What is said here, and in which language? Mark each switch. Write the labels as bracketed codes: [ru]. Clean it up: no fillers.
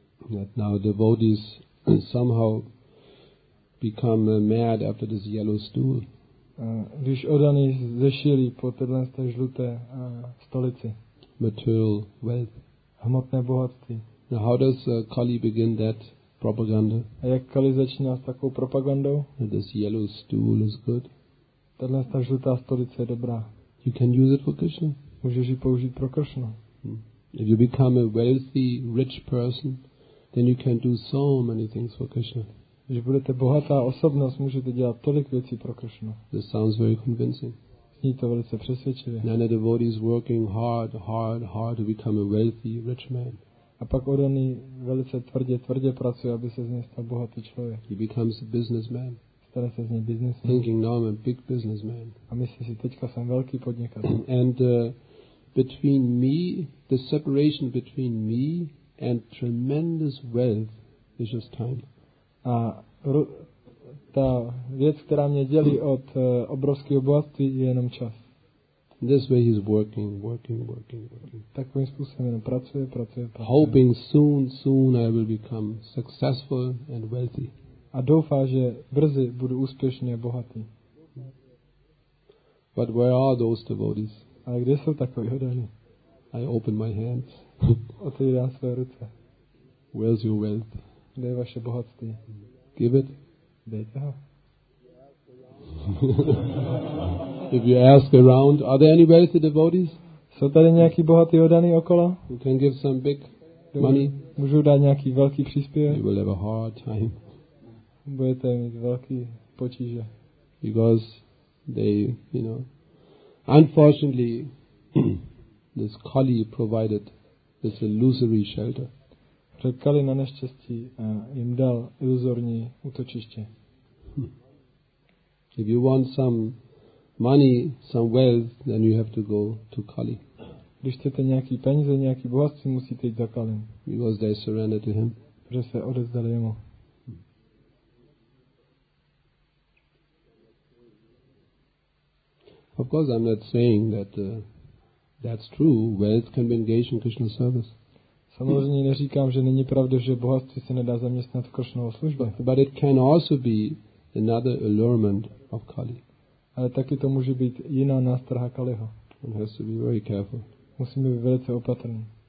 [en] That now devotees somehow become mad after this yellow stool. [cs] Když odaní zešili po téhle žluté stolici. [en] Material wealth. [cs] hmotné bohatství. [en] Now how does Kali begin that propaganda? [cs] A jak Kali začíná s takovou propagandou? [en] This yellow stool is good. [cs] Tato ta žlutá stolice je dobrá. [en] You can use it for Krishna. [cs] Můžeš ji použít pro Krishnu. [en] If you become a wealthy, rich person, then you can do so many things for Krishna. [cs] Když budete bohatá osobnost, můžete dělat tolik věcí pro Krishnu. [en] This sounds very convincing. [cs] Zní to velice přesvědčivě. [en] And a devotee is working hard to become a wealthy, rich man. [cs] A pak oddaný velice tvrdě pracuje, aby se z něj stal bohatý člověk. [en] He becomes a businessman. [cs] Stane se z něj businessman. [en] Thinking now I'm a big businessman. [cs] A myslí si, teďka jsem velký podnikatel. [en] And between me, the separation between me and tremendous wealth is just time. [cs] A ta věc, která mě dělí od obrovského bohatství, je jenom čas. [en] This way he's working. [cs] Takovým způsobem jenom pracuje. [en] Hoping soon I will become successful and wealthy. [cs] A doufá, že brzy budu úspěšný a bohatý. [en] But where are those devotees? [cs] A kde jsou takový hodaní? [en] I open my hands. [cs] Otevírám své ruce. [en] Where's your wealth? [cs] Kde je vaše bohatství? [en] Give it. [cs] Dejte ho. [en] If you ask around, are there any wealthy devotees? [cs] Jsou tady nějaký bohatý hodaní okolo? [en] You can give some big money. [cs] Můžu dát nějaký velký příspěvek? [en] You will have a hard time. [cs] Budete mít velký potíže. [en] Because they, you know, unfortunately, this Kali provided this illusory shelter. [cs] Protože Kali na neštěstí jim dal iluzorní útočiště. [en] If you want some money, some wealth, then you have to go to Kali. [cs] Když chcete nějaký peníze, nějaký bohatství, musíte jít za Kalim. [en] Because they surrendered to him. [cs] Protože se odevzdali jemu. [en] Of course, I'm not saying that that's true. Wealth can be engaged in Krishna service. [cs] Samozřejmě neříkám, že není pravda, že bohatství se nedá zaměstnat v Krishnovo službě. [en] But it can also be another allurement of Kali. [cs] Ale taky to může být jiná nástraha Kaliho. [en] One has to be very careful. [cs] Musíme být velice opatrní.